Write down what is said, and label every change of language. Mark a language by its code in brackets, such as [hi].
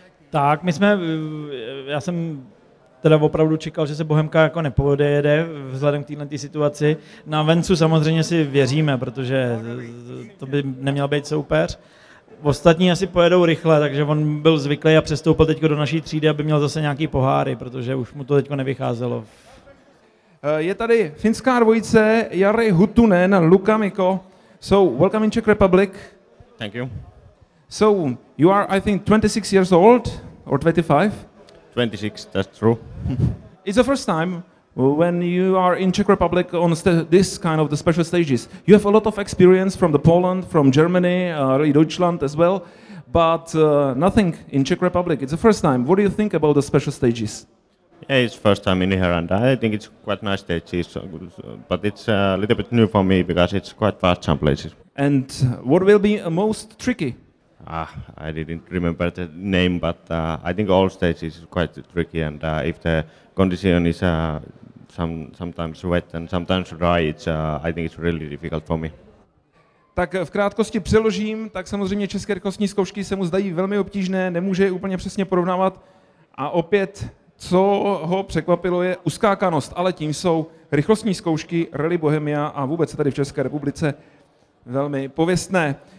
[cs] Tak, já jsem teda opravdu čekal, že se Bohemka jako nepodejede vzhledem k této situaci. Na Vencu samozřejmě si věříme, protože to by neměl být soupeř. Ostatní asi pojedou rychle, takže on byl zvyklý a přestoupil teď do naší třídy, aby měl zase nějaký poháry, protože už mu to teď nevycházelo. Je tady finská dvojice, Jari Huttunen a Luka Mikko. [en] So, welcome in Czech Republic. Thank you. So, you are, I think, 26 years old, or 25? 26, that's true. It's the first time when you are in Czech Republic on this kind of the special stages. You have a lot of experience from the Poland, from Germany, Deutschland as well, but nothing in Czech Republic. It's the first time. What do you think about the special stages? Yeah, it's first time in here, and I think it's quite nice stages, but it's a little bit new for me because it's quite fast some places. And what will be most tricky? I didn't remember the name, but I think all stages is quite tricky, and if the condition is sometimes wet and sometimes dry, I think it's really difficult for me. [cs] Tak v krátkosti přeložím, tak samozřejmě české rychlostní zkoušky se mu zdají velmi obtížné, nemůže je úplně přesně porovnávat. A opět, co ho překvapilo, je uskákanost, ale tím jsou rychlostní zkoušky Rally Bohemia a vůbec tady v České republice velmi pověstné.